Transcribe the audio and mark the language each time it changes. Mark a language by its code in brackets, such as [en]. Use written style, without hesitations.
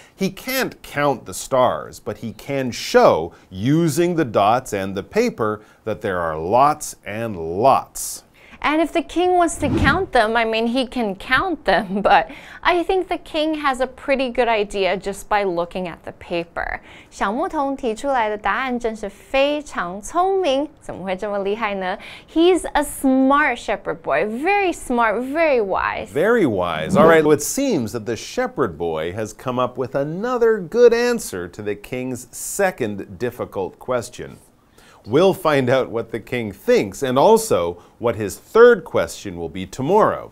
[en] He can't count the stars, but he can show, using the dots and the paper, that there are lots and lots. And if the king wants to count them, I mean, he can count them, but I think the king has a pretty good idea just by looking at the paper. [zh] 小牧童提出来的答案真是非常聪明，怎么会这么厉害呢？ [en] He's a smart shepherd boy, very smart, very wise. Very wise. All right, so it seems that the shepherd boy has come up with another good answer to the king's second difficult question. We'll find out what the king thinks and also what his third question will be tomorrow.